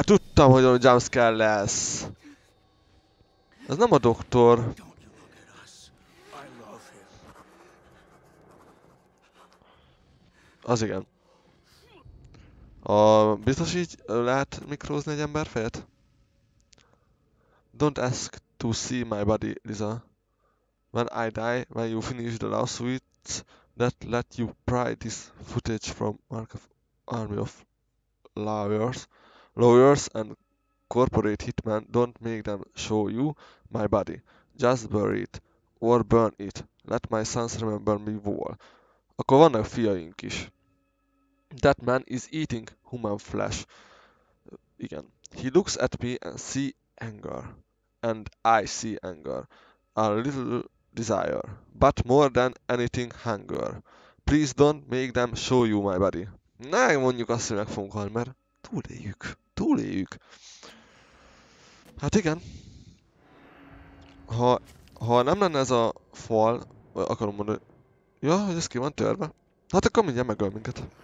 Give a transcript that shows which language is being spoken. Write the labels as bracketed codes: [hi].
[hu] Tudtam, hogy a jumpscare lesz! Ez nem a doktor. Az igen. A, biztos így lehet mikrózni egy ember fejet? [en] Don't ask to see my body, Lisa. When I die, when you finish the last words that let you pry this footage from Mark of Army of Lawyers and Corporate hitman, don't make them show you my body. Just bury it, or burn it. Let my sons remember me well. [hu] Akkor vannak fiaink is. [en] That man is eating human flesh. [hu] Igen. [en] He looks at me and see anger. And I see anger. A little desire. But more than anything, hunger. Please don't make them show you my body. [hu] Ne mondjuk azt, hogy meg fogunk halni, mert túléljük. Túléljük. Hát igen. Ha nem lenne ez a fal, akarom mondani, ja, hogy ez ki van törve. Hát akkor mindjárt megöl minket.